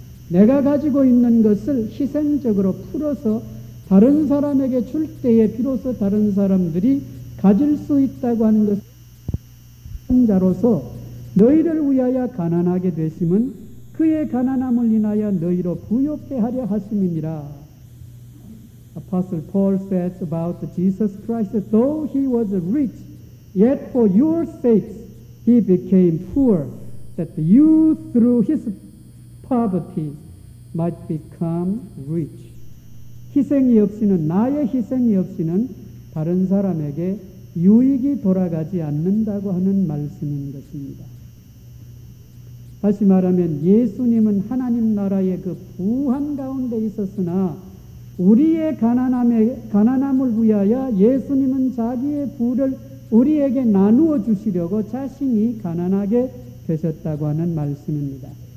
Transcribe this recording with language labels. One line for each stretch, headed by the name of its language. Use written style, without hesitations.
Korean: 내가 가지고 있는 것을 희생적으로 풀어서 다른 사람에게 줄 때에 비로소 다른 사람들이 가질 수 있다고 하는 것을 희생자로서 너희를 위하여 가난하게 되심은 그의 가난함을 인하여 너희로 부요케 하려 하심이니라.
English: Apostle Paul says about Jesus Christ, though he was rich, yet for your sakes he became poor, that you through his poverty might become rich.
Korean: 희생이 없이는, 나의 희생이 없이는 다른 사람에게 유익이 돌아가지 않는다고 하는 말씀인 것입니다. 다시 말하면 예수님은 하나님 나라의 그 부한 가운데 있었으나 우리의 가난함을 위하여 예수님은 자기의 부를 우리에게 나누어 주시려고 자신이 가난하게 되셨다고 하는 말씀입니다.